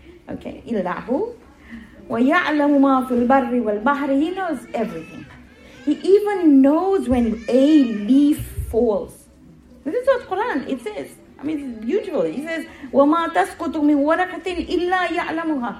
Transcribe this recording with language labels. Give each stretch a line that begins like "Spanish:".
Arabic: Okay, إِلَّهُ وَيَعْلَمُ مَا فِي الْبَرِّ وَالْبَحْرِ.
English: He knows everything. He even knows when a leaf falls. This is what Quran, it says. I mean, it's beautiful. He says,
Arabic: وَمَا تَسْقُطُ مِنْ وَرَقَةٍ إِلَّا يَعْلَمُهَا.